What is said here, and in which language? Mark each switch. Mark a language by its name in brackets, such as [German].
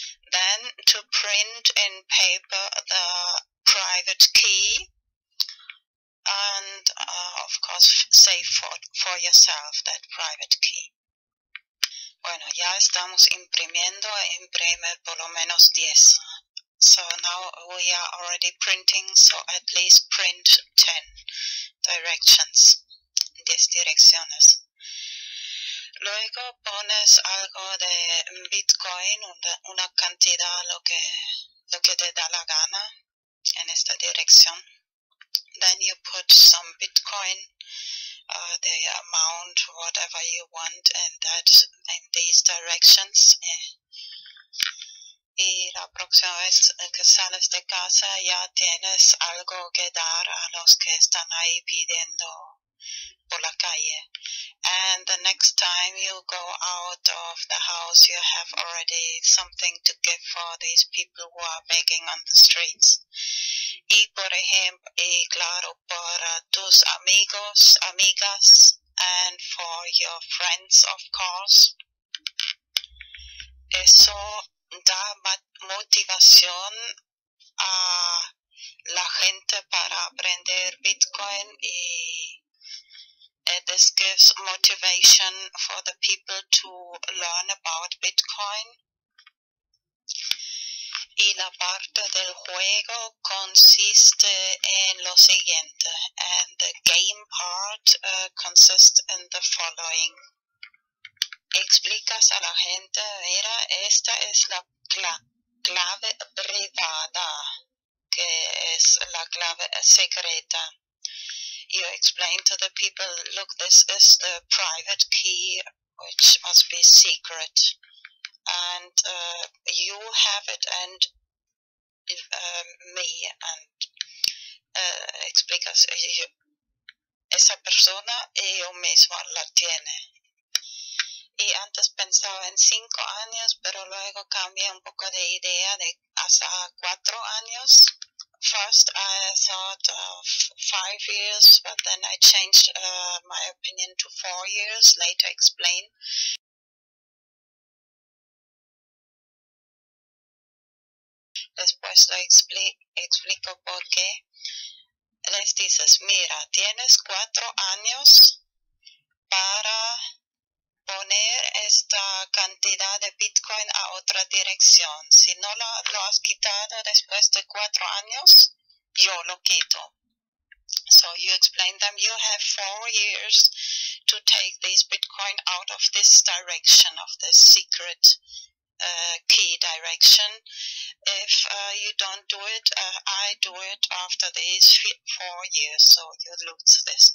[English] Then, to print in paper the private key and, of course, save for yourself that private key. [Spanish] Bueno, ya estamos imprimiendo, imprime por lo menos 10. [English] So now we are already printing, so at least print 10 directions, [Spanish] 10 direcciones. Luego pones algo de Bitcoin, una cantidad, lo que te da la gana en esta dirección. [English] Then you put some Bitcoin, the amount, whatever you want, in these directions. [Spanish] Y la próxima vez que sales de casa ya tienes algo que dar a los que están ahí pidiendo por la calle. [English] And the next time you go out of the house, you have already something to give for these people who are begging on the streets. [Spanish] Y por ejemplo, y claro, para tus amigos, amigas, [English] and for your friends, of course. [Spanish] Eso da motivación a la gente para aprender Bitcoin y [English] this gives motivation for the people to learn about Bitcoin. [Spanish] Y la parte del juego consiste en lo siguiente. [English] And the game part consists in the following. [Spanish] Explicas a la gente, mira, esta es la clave privada, que es la clave secreta. [English] You explain to the people, look, this is the private key, which must be secret. And you have it and me. [Spanish] And explicas, esa persona y yo mismo la tiene. Y antes pensaba en 5 años, pero luego cambié un poco de idea de hasta 4 años. [English] First, I thought of 5 years, but then I changed my opinion to 4 years, later explained. [Spanish] Después lo explico por qué. Les dices, mira, tienes 4 años para poner esta cantidad de Bitcoin a otra dirección. Si no lo has quitado después de 4 años, yo lo quito. [English] So you explain them, you have 4 years to take this Bitcoin out of this direction, of this secret key direction. If you don't do it, I do it after these 4 years, so you lose this.